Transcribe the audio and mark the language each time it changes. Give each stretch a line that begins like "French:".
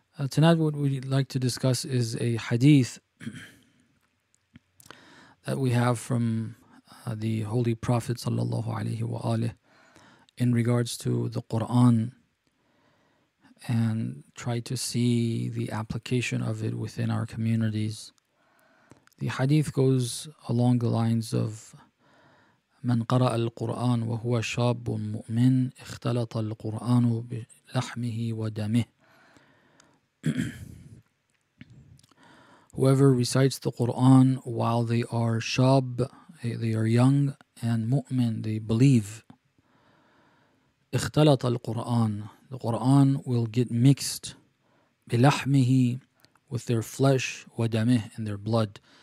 English: Tonight what we'd like to discuss is a hadith that we have from the Holy Prophet sallallahu alayhi wa alihi in regards to the Qur'an, and try to see the application of it within our communities. The hadith goes along the lines of
Arabic: من قرأ القرآن وهو شاب مؤمن اختلط القرآن بلحمه ودمه.
English: Whoever recites the Qur'an while they are shab, they are young, and mu'min, they believe.
Arabic: اختلط القرآن,
English: the Qur'an will get mixed, بلحمه, with their flesh, ودمه, and their blood.